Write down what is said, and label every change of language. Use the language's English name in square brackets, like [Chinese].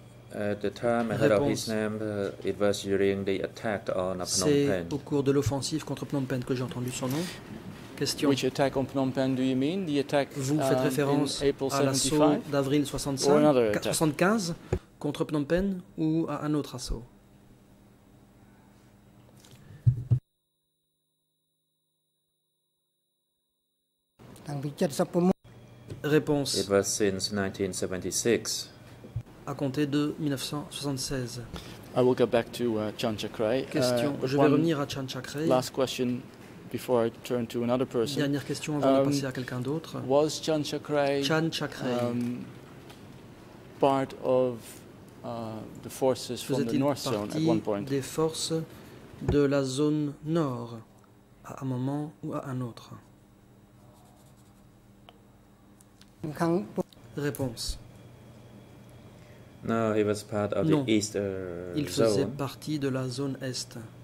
[English] At the time I heard of his name, it was during the attack on Phnom Penh. [French] C'est au cours de l'offensive contre Phnom Penh que j'ai entendu son nom. Question. [English] Which attack on Phnom Penh do you mean? The attack [French] Vous faites référence [English] in April 75, [French] à l'assaut d'avril 75 contre Phnom Penh ou à un autre assaut? Réponse. [English] It was since 1976. [French] À compter de 1976. [English] I will go back to Chan Chakrai. [French] Question. Je vais revenir à Chan Chakrai. [English] Last question. Before I turn to another person. [French] Dernière question avant de passer à quelqu'un d'autre. [English] Was Chan Chakrai, Chan Chakrai part of the forces from the north zone at one point? [French] Des forces de la zone nord à un moment ou à un autre? Réponse. [English] No, he was part of [French] non. [English] The east zone. [French] Il faisait zone. Partie de la zone est.